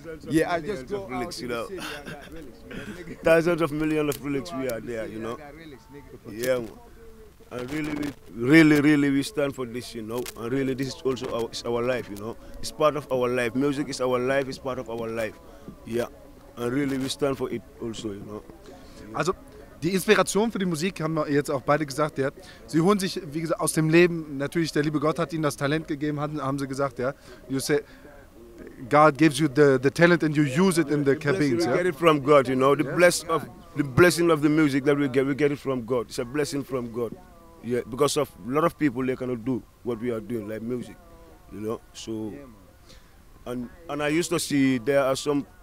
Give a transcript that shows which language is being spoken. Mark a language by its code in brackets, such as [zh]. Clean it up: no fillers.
[en] Yeah, I just go out relics, you know. Thousands of millions of relics we are there, you know. Yeah, and really, really, really, we stand for this, you know. And really, this is also our life, you know. It's part of our life. Music is our life, it's part of our life. Yeah, and really, we stand for it also, you know. [de] Also, die Inspiration für die Musik haben wir jetzt auch beide gesagt, ja. Sie holen sich, wie gesagt, aus dem Leben. Natürlich, der liebe Gott hat ihnen das Talent gegeben, haben sie gesagt, ja. [en] You say, God gives you the talent and you use it in the cabins, blessing, [de] ja. [en] We get it from God, you know. The blessing of the music that we get it from God. It's a blessing from God. Yeah, because of a lot of people, they cannot do what we are doing, like music, you know. So, and I used to see there are some.